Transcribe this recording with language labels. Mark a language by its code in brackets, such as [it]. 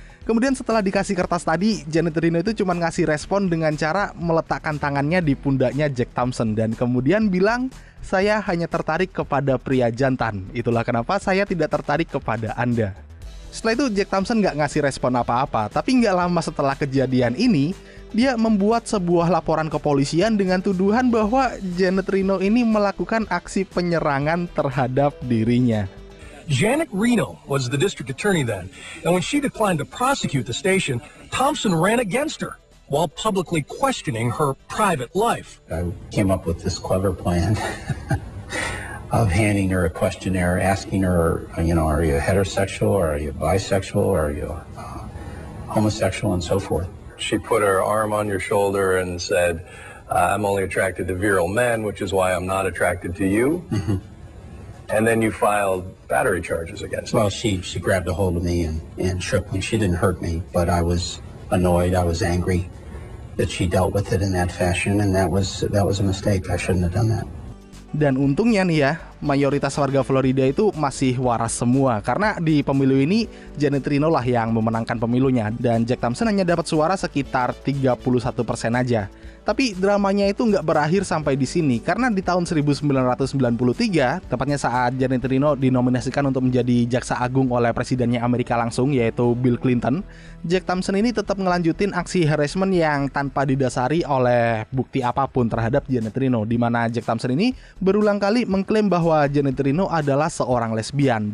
[id] Kemudian setelah dikasih kertas tadi, Janet Reno itu cuma ngasih respon dengan cara meletakkan tangannya di pundaknya Jack Thompson dan kemudian bilang, "Saya hanya tertarik kepada pria jantan, itulah kenapa saya tidak tertarik kepada Anda." Setelah itu Jack Thompson nggak ngasih respon apa-apa, tapi nggak lama setelah kejadian ini, dia membuat sebuah laporan kepolisian dengan tuduhan bahwa Janet Reno ini melakukan aksi penyerangan terhadap dirinya. [en] Janet Reno was the district attorney then, and when she declined to prosecute the station, Thompson ran against her while publicly questioning her private life. I came up with this clever plan of handing her a questionnaire, asking her, you know, are you heterosexual, or are you bisexual, or are you homosexual, and so forth. She put her arm on your shoulder and said, I'm only attracted to virile men, which is why I'm not attracted to you. And then you filed battery charges against her. Well, she grabbed a hold of me and shook me. She didn't hurt me, but I was annoyed. I was angry that she dealt with it in that fashion. And that was a mistake. I shouldn't have done that. [id] Dan untungnya nih ya, mayoritas warga Florida itu masih waras semua. Karena di pemilu ini, Janet Reno lah yang memenangkan pemilunya. Dan Jack Thompson hanya dapat suara sekitar 31% aja. Tapi dramanya itu nggak berakhir sampai di sini. Karena di tahun 1993, tepatnya saat Janet Reno dinominasikan untuk menjadi jaksa agung oleh presidennya Amerika langsung, yaitu Bill Clinton, Jack Thompson ini tetap ngelanjutin aksi harassment yang tanpa didasari oleh bukti apapun terhadap Janet Reno, di mana Jack Thompson ini berulang kali mengklaim bahwa Janet Reno adalah seorang lesbian.